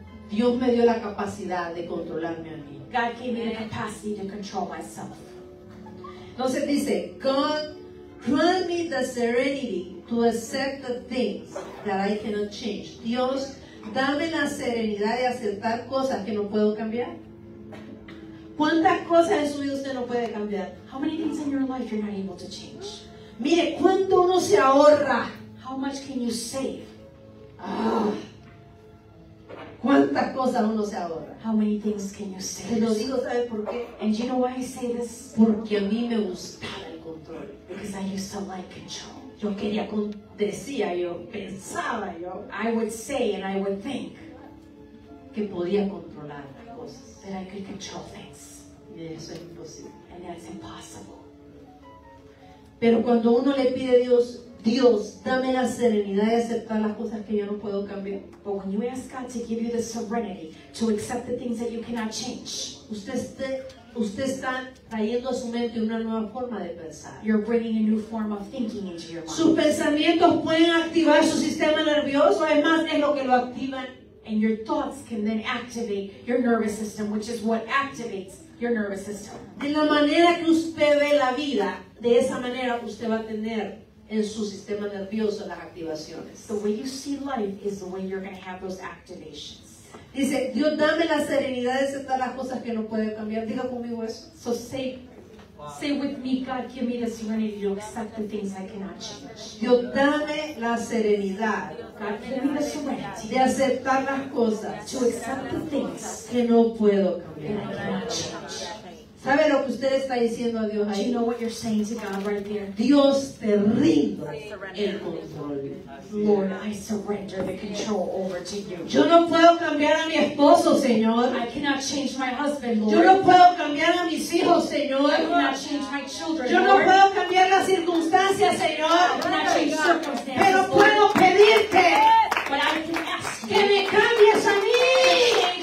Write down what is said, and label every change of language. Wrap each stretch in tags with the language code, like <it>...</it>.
<es>Dios me dio la capacidad de controlarme a mí.</es> <en>God gave me the capacity to control myself.</en> <es>Entonces dice,</es> <en>God, grant me the serenity to accept the things that I cannot change.</en> <es>Dios, dame la serenidad de aceptar cosas que no puedo cambiar. ¿Cuántas cosas en su vida usted no puede cambiar?</es> <en>How many things in your life you're not able to change?</en> <es>Mire, ¿cuánto uno se ahorra?</es> <en>How much can you save?</en> <es>¿Cuántas cosas uno se ahorra?</es> <en>How many things can you save?</en> <es>Te lo digo, ¿sabe por qué?</es> <en>And you know why I say this?</en> <es>Porque a mí me gustaba el control.</es> <en>Because I used to like control.</en> <es>Yo quería, decía yo, pensaba yo,</es> <en>I would say and I would think</en> <es>que podía controlar las cosas.</es> <en>That I could control things.</en> <es>Y eso es imposible.</es> <en>And that's impossible.</en> <es>Pero cuando uno le pide a Dios, Dios, dame la serenidad de aceptar las cosas que yo no puedo cambiar.</es> <en>But when you ask God to give you the serenity to accept the things that you cannot change,</en> <es>usted está trayendo a su mente una nueva forma de pensar.</es> <en>You're bringing a new form of thinking into your mind.</en> <es>Sus pensamientos pueden activar su sistema nervioso. Además, es lo que lo activan.</es> <en>And your thoughts can then activate your nervous system, which is what activates your nervous system.</en> <es>De la manera que usted ve la vida, de esa manera usted va a tener en su sistema nervioso las activaciones.</es> <en>The way you see life is the way you're going to have those activations.</en> <es>Dice, Dios, dame la serenidad de aceptar las cosas que no puedo cambiar. Diga conmigo eso.</es> <en>So say, say with me, God, give me the serenity to accept the things I cannot change.</en> <es>Dios, dame la serenidad.</es> <en>God, give me the serenity.</en> <es>De aceptar las cosas.</es> <en>To accept the things</en> <es>que no puedo cambiar.</es> <en>That I cannot change.</en> <es>¿Sabe lo que usted está diciendo a Dios ahí?</es> <en>Do you know what you're saying to God right there?</en> <es>Dios, te rindo el control.</es> <en>Lord, I surrender the control over to you.</en> <es>Yo no puedo cambiar a mi esposo, Señor.</es> <en>I cannot change my husband, Lord.</en> <es>Yo no puedo cambiar a mis hijos, Señor.</es> <en>I cannot change my children,</en> <es>yo</es> <en>Lord.</en> <es>Yo no puedo cambiar las circunstancias, Señor.</es> <en>I cannot change circumstances,</en> <es>pero puedo</es> <en>Lord.</en> <es>Pedirte</es> <en>But I can ask</en> <es>que</es> <en>you.</en> <es>Me cambies a mí.</es>